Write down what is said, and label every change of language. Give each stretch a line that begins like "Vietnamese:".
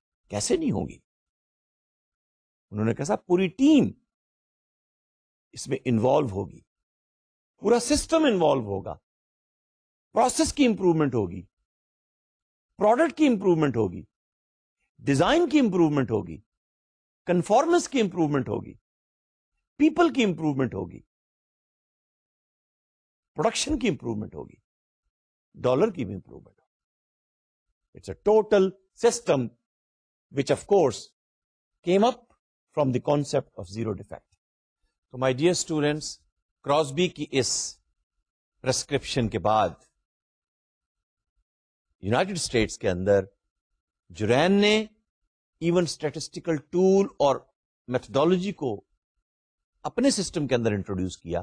Urdu: کیسے نہیں ہوگی؟ انہوں نے کہا پوری ٹیم اس میں انوالو ہوگی, پورا سسٹم انوالو ہوگا, پروسیس کی امپروومنٹ ہوگی, پروڈکٹ کی امپروومنٹ ہوگی, ڈیزائن کی امپروومنٹ ہوگی, کنفارمنس کی امپروومنٹ ہوگی, پیپل کی امپروومنٹ ہوگی, پروڈکشن کی امپروومنٹ ہوگی, ڈالر کی بھی امپروومنٹ ہوگی.
English: It's a total system which of course came up from the concept of zero defect.
Urdu: تو
English: my dear students,
Urdu: کراسبی کی اس پرسکرپشن کے بعد یوناٹیڈ اسٹیٹس کے اندر جورین نے ایون اسٹیٹسٹیکل ٹول اور میتھڈالوجی کو اپنے سسٹم کے اندر انٹروڈیوس کیا.